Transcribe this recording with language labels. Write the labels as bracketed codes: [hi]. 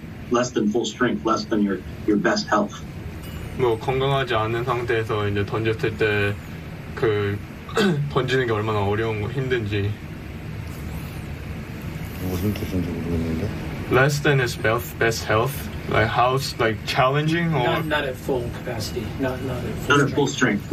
[en] Less than full strength, less than your best health. [ko] 뭐 건강하지 않은 상태에서 이제 던졌을 때 그 던지는 게 얼마나 어려운 거 힘든지. 무슨 뜻인지 모르겠는데. [en] Less than his best health, like how's like challenging or not at full capacity, not at full strength,